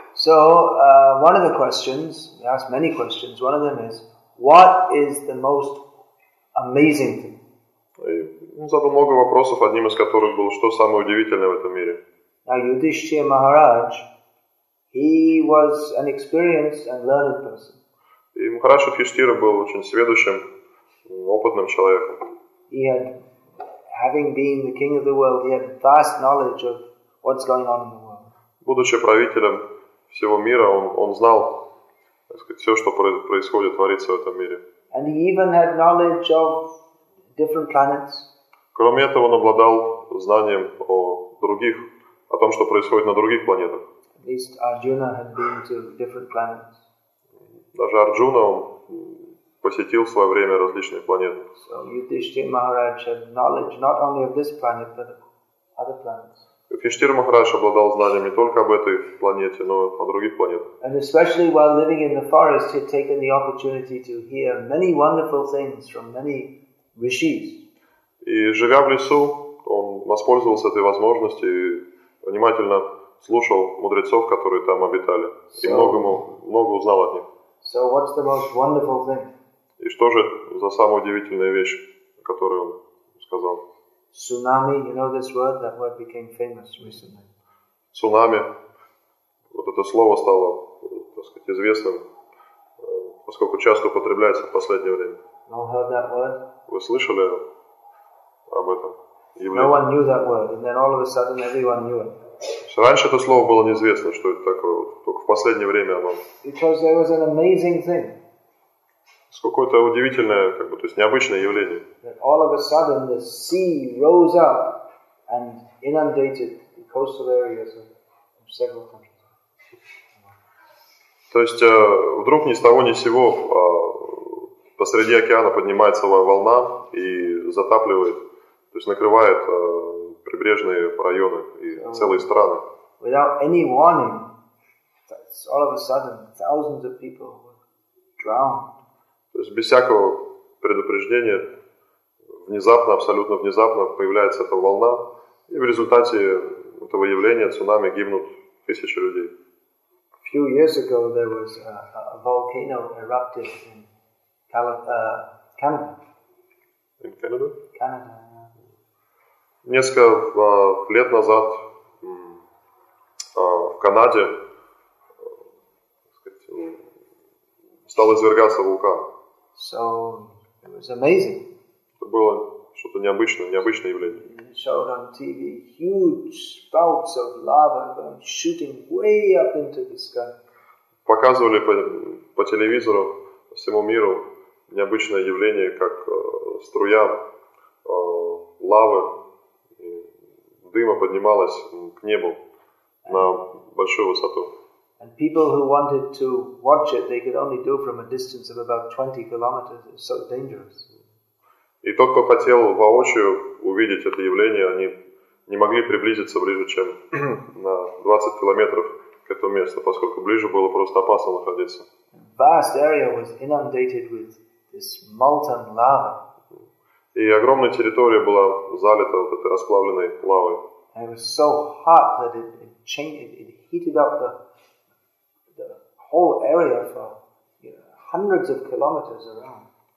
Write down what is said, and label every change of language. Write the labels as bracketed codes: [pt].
[en] So, one of the questions, we ask many questions, one of them is, what is the most amazing thing? [ru] Он задал много вопросов, одним из которых был, что самое удивительное в этом мире. [en] Now, Yudhishthira Maharaj, he was an experienced and learned person. [ru] И Махарадж Юдхиштхира был очень сведущим, опытным человеком. [en] He had, having been the king of the world, he had vast knowledge of what's going on in the world. [ru] Будучи правителем всего мира, он знал, так сказать, все, что происходит, творится в этом мире. [en] And he even had knowledge of different planets. [ru] Кроме этого, он обладал знанием о других, о том, что происходит на других планетах. [en] At least Arjuna had been to different planets. [ru] Даже Арджуна посетил в свое время различные планеты. [en] So Yudhishthira Maharaj had knowledge not only of this planet, but other planets. [ru] Юдхиштхира Махарадж обладал знанием не только об этой планете, но и о других планетах. [en] And especially while living in the forest, he had taken the opportunity to hear many wonderful things from many rishis. [ru] И живя в лесу, он воспользовался этой возможностью и внимательно слушал мудрецов, которые там обитали. И много узнал от них. [en] So what's the most wonderful thing? [ru] И что же за самая удивительная вещь, которую он сказал? [en] Цунами, you know this word? That word became famous recently. [ru] Цунами. Вот это слово стало, так сказать, известным, поскольку часто употребляется в последнее время. [en] You all heard that word? [ru] Вы слышали об этом? [en] No one knew that word, and then all of a sudden everyone knew it. [ru] Раньше это слово было неизвестно, что это такое, только в последнее время оно. [en] Because there was an amazing thing. [ru] Какое-то удивительное, как бы, то есть необычное явление. [en] That all of a sudden the sea rose up and inundated the coastal areas of several countries. [ru] То есть вдруг ни с того ни с сего посреди океана поднимается волна и затапливает, то есть накрывает прибрежные районы и целые страны. [en] Without any warning, all of a sudden thousands of people were drowned. [ru] То есть без всякого предупреждения внезапно, абсолютно внезапно появляется эта волна, и в результате этого явления цунами гибнут тысячи людей. [en] A few years ago there was a volcano erupted in Canada. In Canada? Canada, yeah. [ru] Несколько лет назад в Канаде стал извергаться вулкан. [en] So it was amazing. [ru] Это было что-то необычное, необычное явление. [en] Showed on TV huge spouts of lava shooting way up into the sky. [ru] Показывали по телевизору всему миру необычное явление, как струя лавы, дыма поднималась к небу на большую высоту. [en] And people who wanted to watch it, they could only do from a distance of about 20 kilometers. It's so dangerous. [ru] И тот, кто хотел воочию увидеть это явление, они не могли приблизиться ближе, чем на 20 километров к этому месту, поскольку ближе было просто опасно находиться. [en] Vast area was inundated with this molten lava. [ru] И огромная территория была залита вот этой расплавленной лавой. [en] And it was so hot that it heated up the whole area for hundreds of kilometers around.